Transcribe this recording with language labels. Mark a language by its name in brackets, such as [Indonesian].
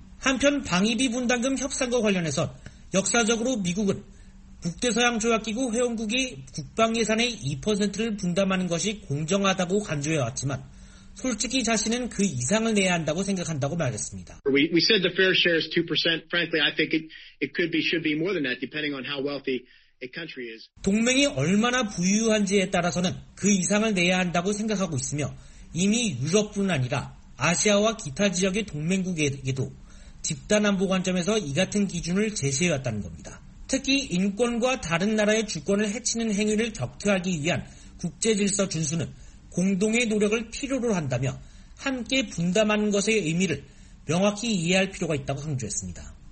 [Korean] 한편 방위비 분담금 협상과 관련해서 역사적으로 미국은 북대서양 조약기구 회원국이 국방예산의 2%를 분담하는 것이 공정하다고 강조해왔지만 솔직히 자신은 그 이상을 내야 한다고 생각한다고 말했습니다. [English] We said the fair share is 2%. Frankly, I think it could be, should be more than that, depending on how wealthy a country is. [Korean] 동맹이 얼마나 부유한지에 따라서는 그 이상을 내야 한다고 생각하고 있으며 이미 유럽뿐 아니라 아시아와 기타 지역의 동맹국에게도 집단안보 관점에서 이 같은 기준을 제시해왔다는 겁니다. 특히 인권과 다른 나라의 주권을 해치는 행위를 격퇴하기 위한 국제질서 준수는 공동의 노력을 필요로 한다며 함께 분담하는 것의 의미를 명확히 이해할 필요가 있다고 강조했습니다.